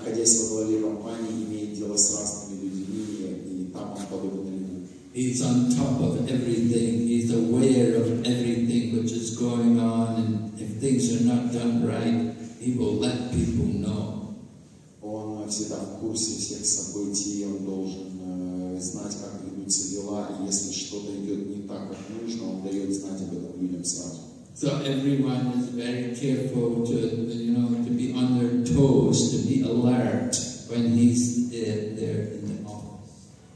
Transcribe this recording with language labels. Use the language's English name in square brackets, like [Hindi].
[Russian] находясь во главе компании, имеет дело с разными людьми, и там он подобен людям. [English] He's on top of everything. He's aware of everything which is going on. And if things are not done right, he will let people know. [Russian] Он всегда в курсе всех событий. Он должен знать, как ведутся дела. И если что-то идет не так, как нужно, он дает знать об этом людям сразу. [English] So everyone is very careful to, you know, to be on their toes, to be alert when he's there in the office.